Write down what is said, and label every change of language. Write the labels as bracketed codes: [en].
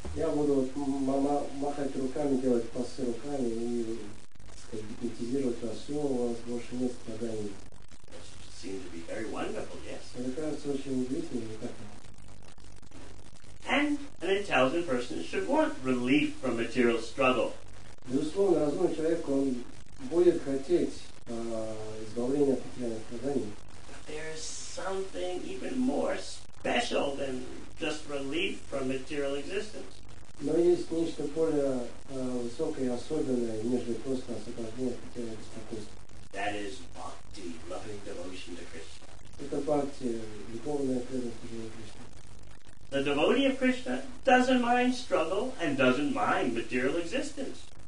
[ru] Я буду махать руками, делать пасы руками и гипнотизировать вас, все, у вас больше нет страданий. [en] Seems to be very wonderful, yes. [ru] Это кажется очень удивительным, не так? [en] And an intelligent person should want relief from material struggle. [ru] Безусловно, разумный человек, он будет хотеть избавления от материальных страданий. [en] But there is something even more special than just relief from material existence. [ru] Но есть нечто более высокое и особенное, нежели просто освобождение от материального беспокойства. [en] That is bhakti, loving devotion to Krishna. [ru] Это бхакти, любовная преданность Кришне. [en] The devotee of Krishna doesn't mind struggle and doesn't mind material existence.